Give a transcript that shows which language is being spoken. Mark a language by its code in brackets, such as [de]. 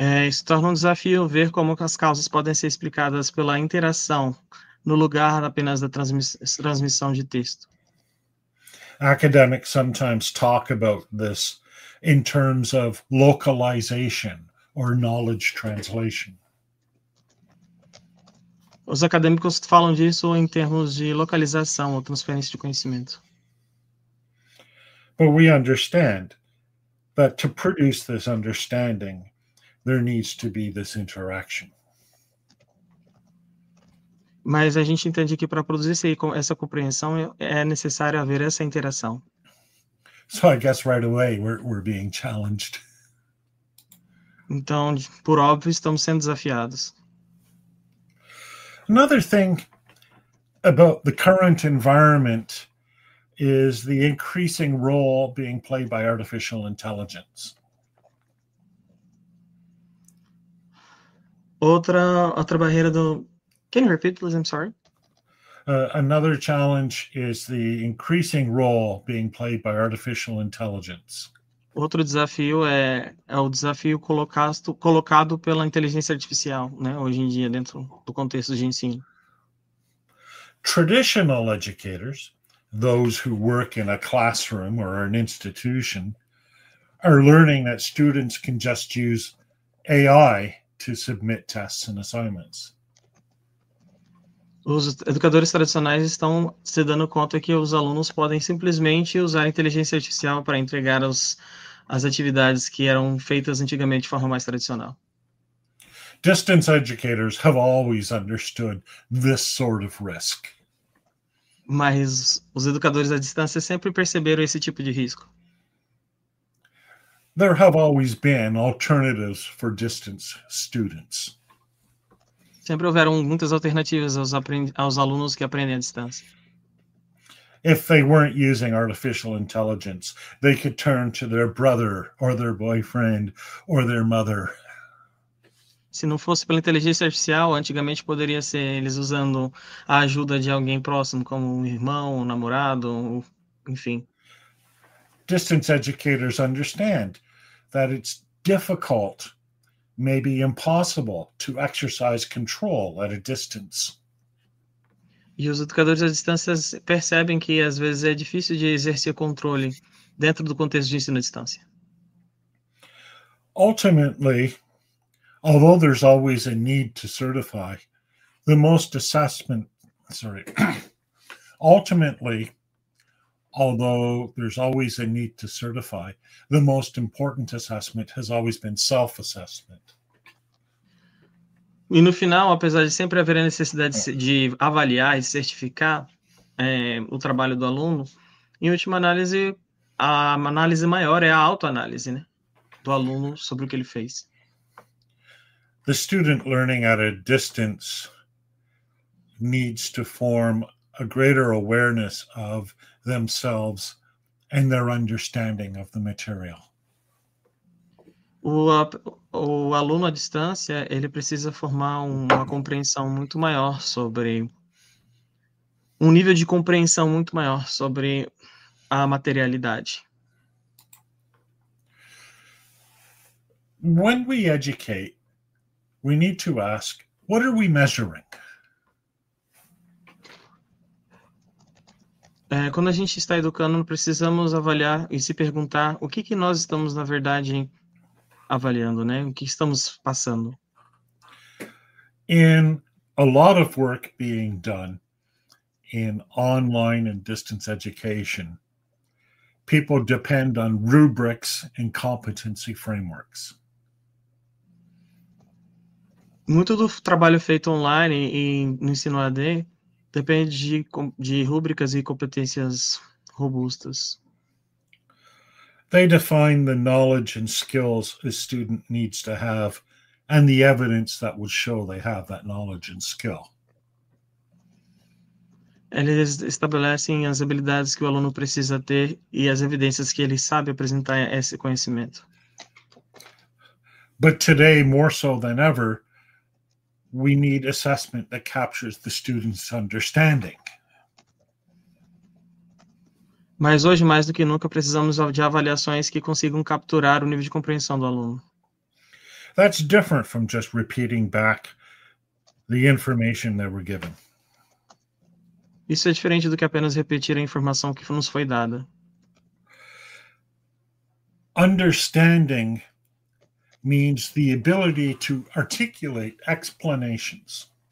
[pt] Se torna um desafio ver como as causas podem ser explicadas pela interação no lugar apenas da transmissão de texto. [en] Academics sometimes talk about this in terms of localization or knowledge translation. [pt] Os acadêmicos falam disso em termos de localização ou transferência de conhecimento. [en] But we understand that to produce this understanding, there needs to be this interaction. [pt] Mas a gente entende que para produzir essa compreensão é necessário haver essa interação. [en] So I guess right away we're being challenged. [pt] Então, por óbvio, estamos sendo desafiados. [en] Another thing about the current environment is the increasing role being played by artificial intelligence. [pt] Outra barreira do... [en] Can you repeat, please? I'm sorry. Another challenge is the increasing role being played by artificial intelligence. [pt] Outro desafio é o desafio colocado pela inteligência artificial, né, hoje em dia, dentro do contexto de ensino. [en] Traditional educators, those who work in a classroom or an institution, are learning that students can just use AI to submit tests and assignments. [pt] Os educadores tradicionais estão se dando conta que os alunos podem simplesmente usar a inteligência artificial para entregar as atividades que eram feitas antigamente de forma mais tradicional. [en] Distance educators have always understood this sort of risk. [pt] Mas os educadores à distância sempre perceberam esse tipo de risco. [en] There have always been alternatives for distance students. [pt] Sempre houveram muitas alternativas aos alunos que aprendem à distância. [en] If they weren't using artificial intelligence, they could turn to their brother or their boyfriend or their mother. [pt] Se não fosse pela inteligência artificial, antigamente poderia ser eles usando a ajuda de alguém próximo, como um irmão, um namorado, enfim. [en] Distance educators understand that it's difficult may be impossible to exercise control at a distance. [pt] E os educadores à distância percebem que às vezes é difícil de exercer controle dentro do contexto de ensino à distância. [en] Ultimately, although there's always a need to certify, the most assessment, sorry, ultimately, although there's always a need to certify, the most important assessment has always been self-assessment. [pt] E no final, apesar de sempre haver a necessidade de avaliar e certificar o trabalho do aluno, em última análise, a análise maior é a autoanálise, né, do aluno sobre o que ele fez. [en] The student learning at a distance needs to form a greater awareness of themselves and their understanding of the material. [pt] O aluno à distância, ele precisa formar uma compreensão muito maior sobre um nível de compreensão muito maior sobre a materialidade. [en] When we educate, we need to ask, what are we measuring? [pt] Quando a gente está educando, precisamos avaliar e se perguntar o que que nós estamos, na verdade, avaliando, né? O que estamos passando. [en] In a lot of work being done in online and distance education, people depend on rubrics and competency frameworks. [pt] Muito do trabalho feito online e no ensino AD depende de rúbricas e competências robustas. [en] They define the knowledge and skills a student needs to have and the evidence that would show they have that knowledge and skill. [pt] Eles estabelecem as habilidades que o aluno precisa ter e as evidências que ele sabe apresentar esse conhecimento. [en] But today, more so than ever, we need assessment that captures the student's understanding. [pt] Mas hoje, mais do que nunca, precisamos de avaliações que consigam capturar o nível de compreensão do aluno. [en] That's different from just repeating back the information that we're given. [pt] Isso é diferente do que apenas repetir a informação que nos foi dada. [en] Understanding means the ability to articulate explanations.